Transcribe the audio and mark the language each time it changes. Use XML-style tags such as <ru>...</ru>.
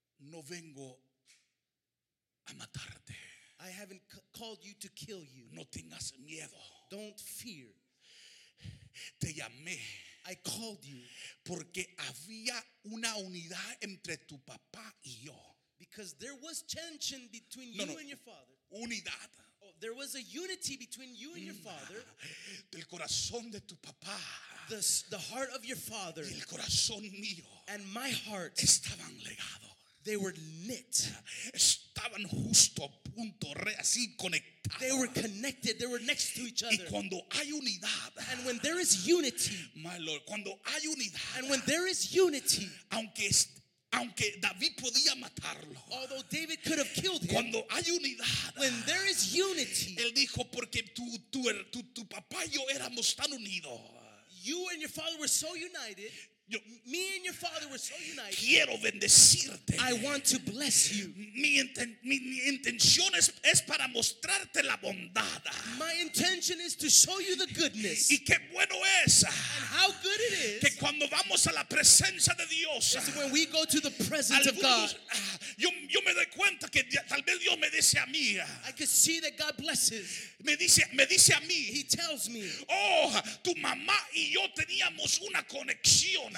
<es>No vengo a matarte.</es> <en>I haven't called you to kill you.</en> <es>No tengas miedo.</es> <en>Don't fear.</en> <es>Te llamé.</es> <en>I called you</en> <es>porque había una unidad entre tu papá y yo.</es> <en>Because there was tension between you and your father.</en> <es>Unidad.</es> <en>Oh, there was a unity between you and your father.</en> <es>Del corazón de tu papá.</es> <en>The heart of your father.</en> <es>Y el corazón mío.</es> <en>And my heart.</en> <es>Estaban legado.</es> <en>They were knit.</en> <es>Estaban justo a punto, así conectados.</es> <en>They were connected. They were next to each other.</en> <es>Y cuando hay unidad,</es> <en>and when there is unity, my Lord,</en> <es>cuando hay unidad,</es> <en>and when there is unity,</en> <es>aunque David podía matarlo,</es> <en>although David could have killed him,</en> <es>cuando hay unidad,</es> <en>when there is unity,</en> <es>él dijo porque tu papá y yo éramos tan unidos.</es> <en>You and your father were so united. Me and your father were so united.</en> <es>Quiero bendecirte.</es> <en>I want to bless you.</en> <es>Mi intención es para mostrarte la bondad.</es> <en>My intention is to show you the goodness.</en> <es>Y qué bueno es.</es> <en>And how good it is.</en> <es>Que cuando vamos a la presencia de Dios.</es> <en>Is when we go to the presence of God.</en> <es>Yo me doy cuenta que tal vez Dios me dice a mí.</es> <en>I can see that God blesses.</en> <es>Me dice a mí.</es> <en>He tells me.</en> <es>Oh, tu mamá y yo teníamos una conexión.</es>